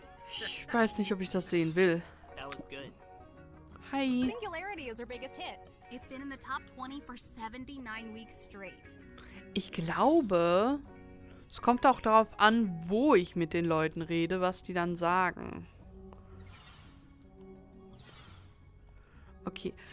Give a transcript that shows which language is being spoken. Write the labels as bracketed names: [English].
[German] Ich weiß nicht, ob ich das sehen will. [English] That was good. Hi. Singularity is her biggest hit. It's been in the top 20 for 79 weeks straight. [German] Ich glaube, es kommt auch darauf an, wo ich mit den Leuten rede, was die dann sagen. [English] Okay.